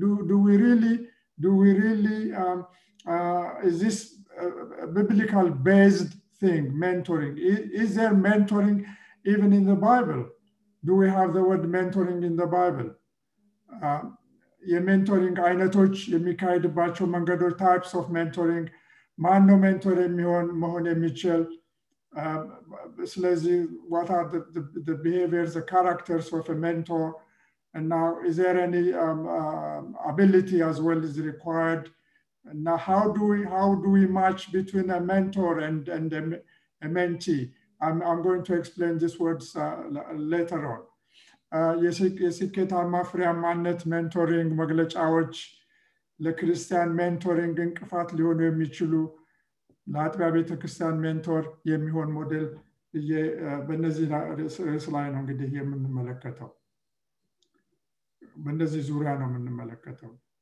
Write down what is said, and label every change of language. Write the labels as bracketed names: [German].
[English] Do we really is this biblical based thing, mentoring? Is there mentoring even in the Bible? Do we have the word mentoring in the Bible? [Amharic] የሜንቶሪንግ አይነቶች የሚካሄድባቸው መንገዶች, [English] types of mentoring, [Amharic] ማን ነው ሜንቶር የሚሆን መሆን የሚችል? ስለዚህ [English] what are the behaviors, the characters of a mentor? And now, is there any ability as well is required? Now, how do we match between a mentor and a mentee? I'm going to explain these words later on. [Amharic] የስኬታማ ፍሬያማነት ሜንቶሪንግ መግለጫዎች ለክርስቲያን ሜንቶሪንግ እንቅፋት ሊሆኑ የሚችሉ ለአጥቢያ ቤተክርስቲያን ሜንቶር የሚሆን ሞዴል በእነዚህ ርዕስ ላይ ነው እንግዲህ የምንመለከተው። በእነዚህ ዙሪያ ነው የምንመለከተው።